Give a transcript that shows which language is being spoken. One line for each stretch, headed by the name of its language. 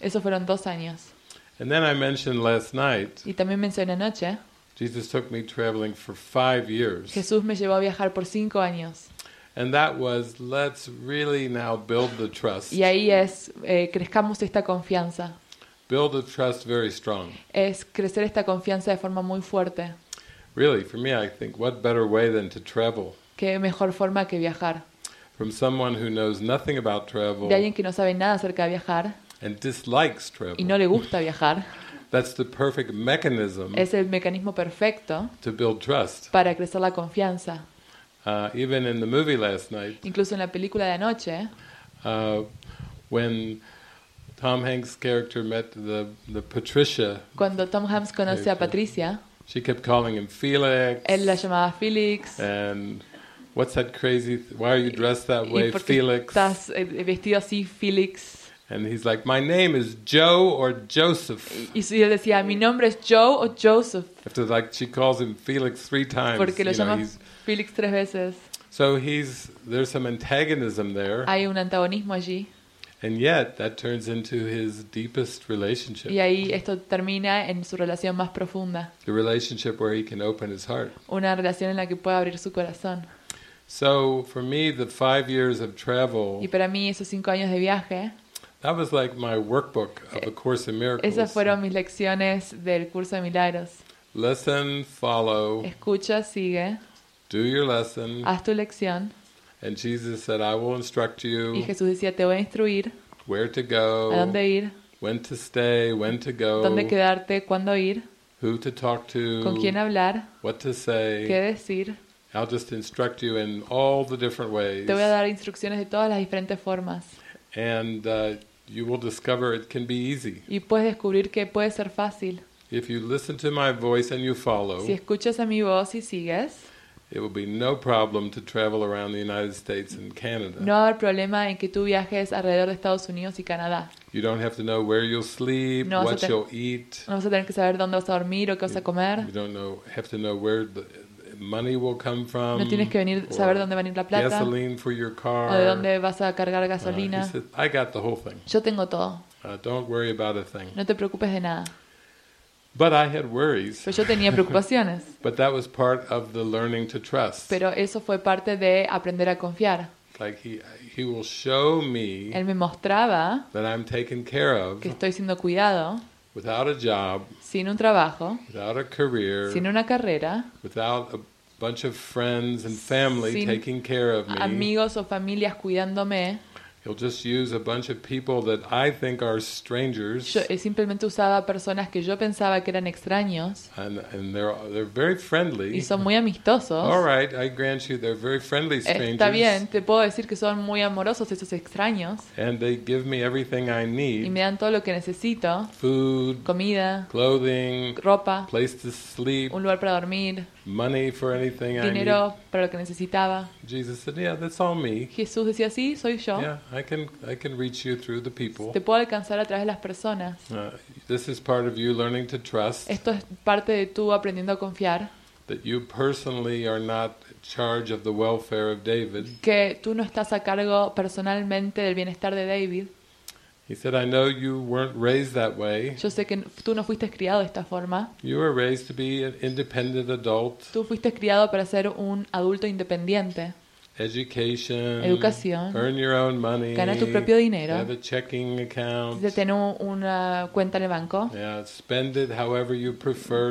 Spanish: Eso fueron 2 años.
English: And then I mentioned last night.
Spanish: Y también mencioné anoche.
English: Jesus took me traveling for 5 years.
Spanish: Jesús me llevó a viajar por 5 años.
English: And that was, let's really now build the trust.
Spanish: Y ahí es, crezcamos esta confianza.
English: Build the trust very strong.
Spanish: Es crecer esta confianza de forma muy fuerte.
English: Really, for me, I think, what better way than to travel?
Spanish: ¿Qué mejor forma que viajar?
English: From someone who knows nothing about travel.
Spanish: De alguien que no sabe nada acerca de viajar.
English: And dislikes travel.
Spanish: Y no le gusta viajar.
English: That's the perfect mechanism.
Spanish: Es el mecanismo perfecto.
English: To build trust.
Spanish: Para crecer la confianza.
English: Even in the movie last night.
Spanish: Incluso en la película de anoche.
English: When Tom Hanks' character met the Patricia.
Spanish: Cuando Tom Hanks conoce a Patricia.
English: She kept calling him Felix.
Spanish: Él la llamaba Felix.
English: And what's that crazy? Why are you dressed that way, Felix?
Spanish: Estás vestido así, Felix.
English: And he's like, my name is Joe or Joseph.
Spanish: Y si él decía, mi nombre es Joe o Joseph.
English: After like she calls him Felix three times.
Spanish: Porque lo llama Felix tres veces.
English: So there's some antagonism there.
Spanish: Hay un antagonismo allí.
English: And yet that turns into his deepest relationship.
Spanish: Y ahí esto termina en su relación más profunda.
English: The relationship where he can open his heart.
Spanish: Una relación en la que puede abrir su corazón.
English: So for me, the 5 years of travel.
Spanish: Y para mí esos 5 años de viaje.
English: That was like my workbook of A Course in Miracles.
Spanish: Esas fueron mis lecciones del curso de milagros.
English: Listen, follow.
Spanish: Escucha, sigue.
English: Do your lesson.
Spanish: Haz tu lección.
English: And Jesus said, I will instruct you.
Spanish: Y Jesús decía, te voy a instruir.
English: Where to go.
Spanish: A dónde ir.
English: When to stay, when to go.
Spanish: Dónde quedarte, cuándo ir.
English: Who to talk to.
Spanish: Con quién hablar.
English: What to say.
Spanish: Qué decir.
English: I'll just instruct you in all the different ways.
Spanish: Te voy a dar instrucciones de todas las diferentes formas.
English: And you will discover it can be easy.
Spanish: Y puedes descubrir que puede ser fácil.
English: If you listen to my voice and you follow.
Spanish: Si escuchas a mi voz y sigues.
English: It will be no problem to travel around the United States and Canada.
Spanish: No habrá problema en que tú viajes alrededor de Estados Unidos y Canadá.
English: You don't have to know where you'll sleep, what you'll eat.
Spanish: No vas a tener que saber dónde vas a dormir o qué vas a comer.
English: You don't know, have to know where the money will come from.
Spanish: No tienes que venir saber dónde va a venir la plata.
English: Gasoline for your car.
Spanish: O de dónde vas a cargar gasolina.
English: I got the whole thing.
Spanish: Yo tengo todo.
English: Don't worry about a thing.
Spanish: No te preocupes de nada.
English: But I had worries.
Spanish: Pero yo tenía preocupaciones.
English: But that was part of the learning to trust.
Spanish: Pero eso fue parte de aprender a confiar.
English: Like he will show me.
Spanish: Él me mostraba
English: that I'm taken care of.
Spanish: Que estoy siendo cuidado.
English: Without a job.
Spanish: Sin un trabajo.
English: Without a career.
Spanish: Sin una carrera.
English: Without a bunch of friends and family taking care of me.
Spanish: Amigos o familias cuidándome.
English: He'll just use a bunch of people that I think are strangers.
Spanish: Yo simplemente usaba personas que yo pensaba que eran extraños.
English: And they're very friendly.
Spanish: Y son muy amistosos.
English: All right, I grant you they're very friendly strangers.
Spanish: Está bien, te puedo decir que son muy amorosos esos extraños.
English: And they give me everything I need.
Spanish: Y me dan todo lo que necesito.
English: Food.
Spanish: Comida.
English: Clothing.
Spanish: Ropa.
English: Place to sleep.
Spanish: Un lugar para dormir.
English: Money for anything I need.
Spanish: Dinero para lo que necesitaba.
English: Jesus said, "Yeah, that's all me."
Spanish: Jesús decía, "Sí, soy yo."
English: Yeah, I can reach you through the people.
Spanish: Te puedo alcanzar a través de las personas.
English: This is part of you learning to trust.
Spanish: Esto es parte de tú aprendiendo a confiar.
English: That you personally are not in charge of the welfare of David.
Spanish: Que tú no estás a cargo personalmente del bienestar de David.
English: He said, "I know you weren't raised that way."
Spanish: Yo sé que tú no fuiste criado de esta forma.
English: You were raised to be an independent adult.
Spanish: Tú fuiste criado para ser un adulto independiente.
English: Education.
Spanish: Educación.
English: Earn your own money.
Spanish: Gana tu propio dinero.
English: Have a checking account.
Spanish: De tener una cuenta en el banco.
English: Yeah, spend it however you prefer